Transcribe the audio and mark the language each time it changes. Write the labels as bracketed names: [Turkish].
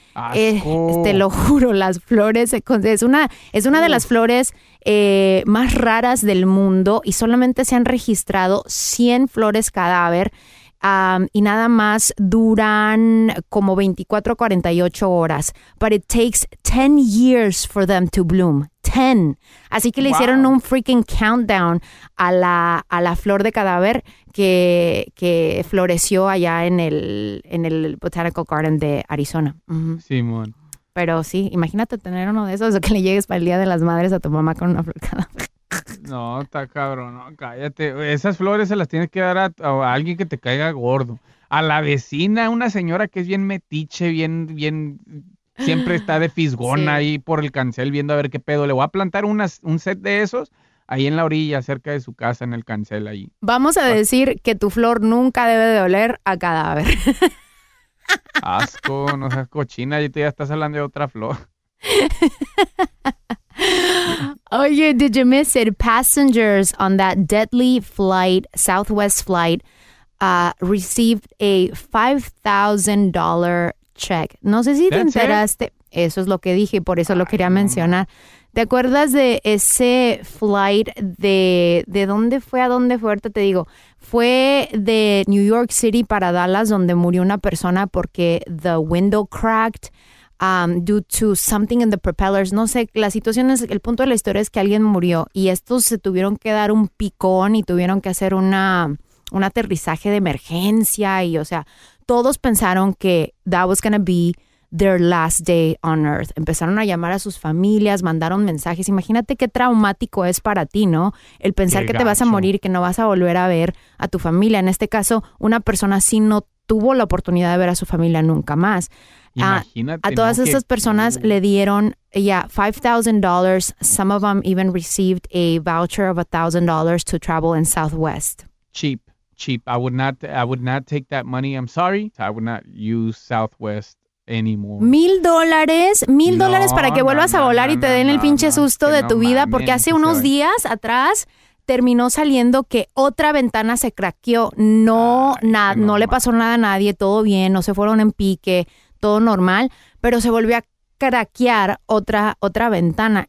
[Spanish] ¡Asco! Te lo juro, las flores... Es una de las flores más raras del mundo y solamente se han registrado 100 flores cadáver. Y nada más duran como 24, 48 horas. [English] But it takes 10 years for them to bloom. [Spanish] 10. Así que le hicieron un freaking countdown a la flor de cadáver que floreció allá en el Botanical Garden de Arizona. Uh-huh. Simón. Pero sí, imagínate tener uno de esos o que le llegues para el Día de las Madres a tu mamá con una flor cadáver. No, está cabrón, no, cállate. Esas flores se las tienes que dar a alguien que te caiga gordo. A la vecina, una señora que es bien metiche, bien, siempre está de fisgona ahí por el cancel viendo a ver qué pedo. Le voy a plantar un set de esos ahí en la orilla, cerca de su casa, en el cancel ahí. Vamos a decir que tu flor nunca debe de oler a cadáver. Asco, no seas cochina, y tú ya estás hablando de otra flor. Oye, [English] did you miss it? Passengers on that deadly flight, Southwest flight, received a $5,000 check. [Spanish] No sé si te enteraste. Eso es lo que dije, por eso lo quería mencionar. ¿Te acuerdas de ese flight de dónde fue a dónde fue? Ahorita te digo. Fue de New York City para Dallas, donde murió una persona porque [English] the window cracked. Due to something in the propellers. [Spanish] No sé, la situación es, el punto de la historia es que alguien murió y estos se tuvieron que dar un picón y tuvieron que hacer un aterrizaje de emergencia y, o sea, todos pensaron que [English] that was going to be their last day on earth. [Spanish] Empezaron a llamar a sus familias, mandaron mensajes. Imagínate qué traumático es para ti, ¿no? El pensar que te vas a morir, que no vas a volver a ver a tu familia. En este caso, una persona así no tuvo la oportunidad de ver a su familia nunca más. Imagínate, a todas esas personas le dieron, $5,000. [English] Some of them even received a voucher of $1,000 to travel in Southwest. Cheap. I would not take that money. I'm sorry. I would not use Southwest anymore. [Spanish] $1,000 para que vuelvas a volar y te den el pinche susto de tu vida. Porque hace unos días atrás terminó saliendo que otra ventana se craqueó. No le pasó nada a nadie. Todo bien. No se fueron en pique. Todo normal, pero se volvió a craquear otra ventana.